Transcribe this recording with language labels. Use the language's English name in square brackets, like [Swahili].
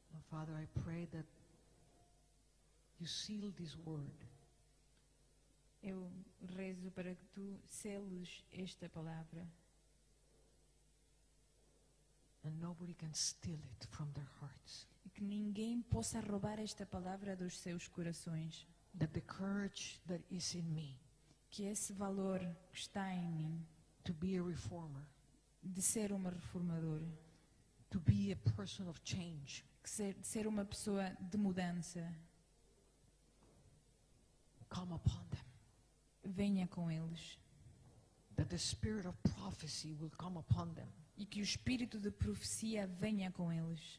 [English] Father, I pray that you seal this word. [Portuguese] Eu rezo para que tu seles esta palavra. [English] And nobody can steal it from their hearts. [Portuguese] E que ninguém possa roubar esta palavra dos seus corações. [English] That the courage that is in me. [Portuguese] Que esse valor que está em mim. [English] To be a reformer. [Portuguese] De ser uma reformadora. [English] To be a person of change. [Portuguese] Ser uma pessoa de mudança. [English] Come upon them. [Portuguese] Venha com eles. [English] That the spirit of prophecy will come upon them. [Portuguese] E que o espírito de profecia venha com eles.